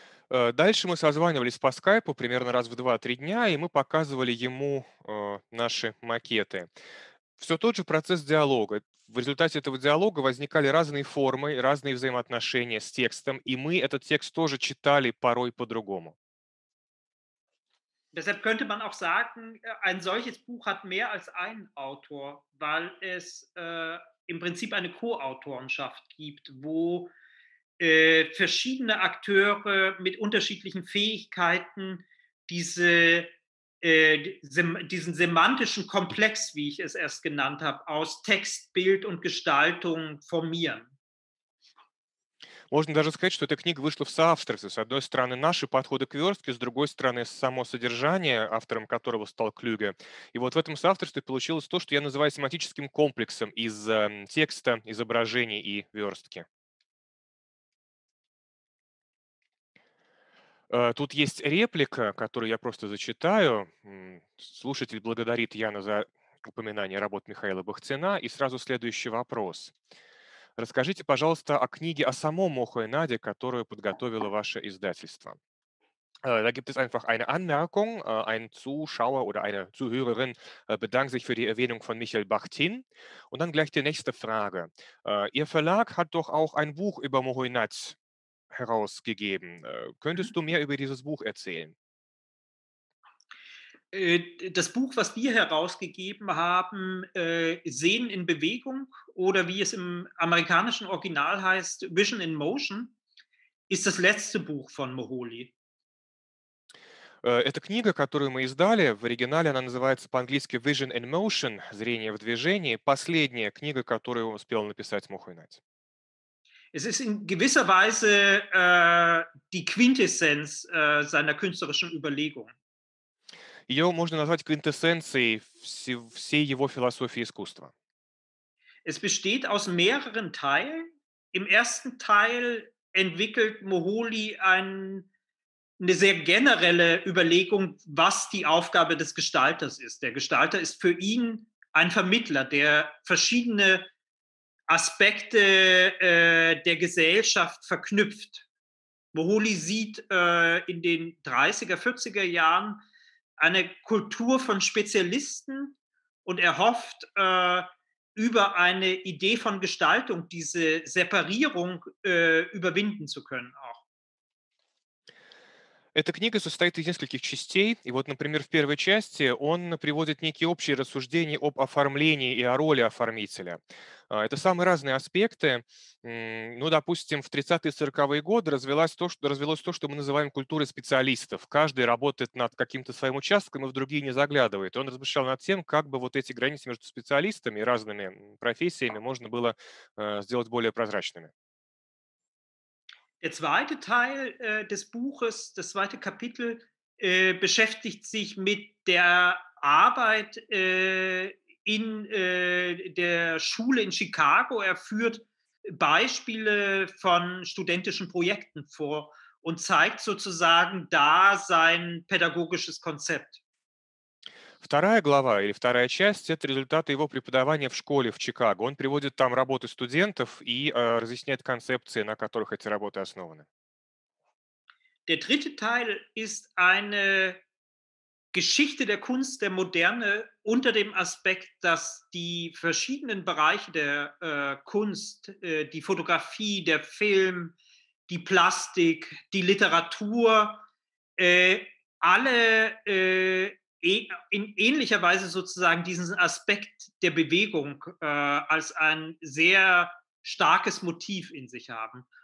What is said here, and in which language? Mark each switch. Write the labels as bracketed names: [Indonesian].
[Russian] Дальше мы созванивались по скайпу примерно раз в 2-3 дня, и мы показывали ему наши макеты. Все тот же процесс диалога. В результате этого диалога возникали разные формы, разные взаимоотношения с текстом, и мы этот текст тоже читали порой по-другому. [German] Deshalb könnte man auch sagen, ein solches Buch hat mehr als einen Autor, weil es im Prinzip eine Co-Autorenschaft gibt, wo verschiedene Akteure mit unterschiedlichen Fähigkeiten diesen semantischen Komplex, wie ich es erst genannt habe, aus Text, Bild und Gestaltung formieren. [Russian] Можно даже сказать, что эта книга вышла в соавторстве. С одной стороны, наши подходы к верстке, с другой стороны, само содержание, автором которого стал Клюге. И вот в этом соавторстве получилось то, что я называю семантическим комплексом из текста, изображений и верстки. Тут есть реплика, которую я просто зачитаю. Слушатель благодарит Яна за упоминание работ Михаила Бахтина. И сразу следующий вопрос. Расскажите, пожалуйста, о книге о самом Мохо и Наде, которую подготовило ваше издательство. [German] Da gibt es einfach eine Anmerkung. Ein Zuschauer oder eine Zuhörerin bedankt sich für die Erwähnung von Michael Bachtin. Und dann gleich die nächste Frage. Ihr Verlag hat doch auch ein Buch über Mohó i Nagy herausgegeben. Könntest du mehr über dieses Buch erzählen? Das Buch, was wir herausgegeben haben, Sehen in Bewegung oder wie es im amerikanischen Original heißt, Vision in Motion, ist das letzte Buch von Moholy. [Russian] Эта книга, которую мы издали, в оригинале она называется по-английски Vision in Motion, Зрение в движении, последняя книга, которую успел написать Мохо и Нагь. [German] Es ist in gewisser Weise die Quintessenz seiner künstlerischen Überlegung. [Russian] Ее можно назвать квинтэссенцией всей его философии искусства. [German] Es besteht aus mehreren Teilen. Im ersten Teil entwickelt Moholy eine sehr generelle Überlegung, was die Aufgabe des Gestalters ist. Der Gestalter ist für ihn ein Vermittler, der verschiedene Aspekte der Gesellschaft verknüpft. Moholy sieht in den 30er, 40er Jahren eine Kultur von Spezialisten und erhofft über eine Idee von Gestaltung diese Separierung überwinden zu können auch. [Russian] Эта книга состоит из нескольких частей, и вот, например, в первой части он приводит некие общие рассуждения об оформлении и о роли оформителя. Это самые разные аспекты. Ну, допустим, в 30-е и 40-е годы развелось то, что мы называем культурой специалистов. Каждый работает над каким-то своим участком и в другие не заглядывает. Он размышлял над тем, как бы вот эти границы между специалистами и разными профессиями можно было сделать более прозрачными. [German] Der zweite Teil des Buches, das zweite Kapitel, beschäftigt sich mit der Arbeit in der Schule in Chicago. Er führt Beispiele von studentischen Projekten vor und zeigt sozusagen da sein pädagogisches Konzept. [Russian] Вторая глава или вторая часть – это результаты его преподавания в школе в Чикаго. Он приводит там работы студентов и разъясняет концепции, на которых эти работы основаны. [German] Der dritte Teil ist eine Geschichte der Kunst der Moderne unter dem Aspekt, dass die verschiedenen Bereiche der Kunst, die Fotografie, der Film, die Plastik, die Literatur, alle in ähnlicher Weise sozusagen diesen Aspekt der Bewegung als ein sehr starkes Motiv in sich haben.